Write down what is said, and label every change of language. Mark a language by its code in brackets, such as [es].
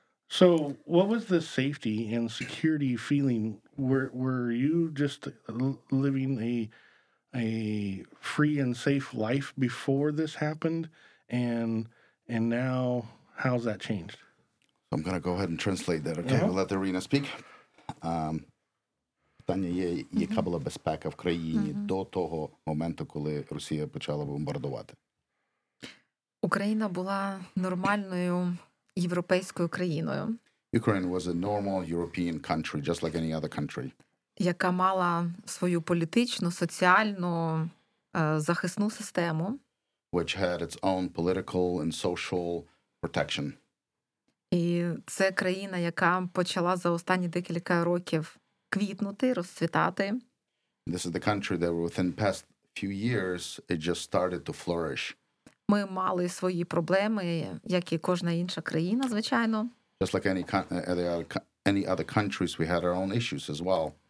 [en] So what was the safety and security feeling? Were you just living a free and safe life before this happened? And now how's that changed? So I'm going to go ahead and translate that. Okay, we'll let Irina speak. [uk] Питання є, яка була безпека в країні до того моменту, коли Росія почала бомбардувати? Україна була нормальною європейською країною. [en] Ukraine was a normal European country, just like any other country. [uk] Яка мала свою політичну, соціальну, захисну систему. [en] Which had its own political and social protection. [uk] І це країна, яка почала за останні декілька років квітнути, розцвітати. [en] This is the country that within past few years it just started to flourish. [uk] Ми мали свої проблеми, як і кожна інша країна, звичайно. [en] Just like any other countries, we had our own issues as well.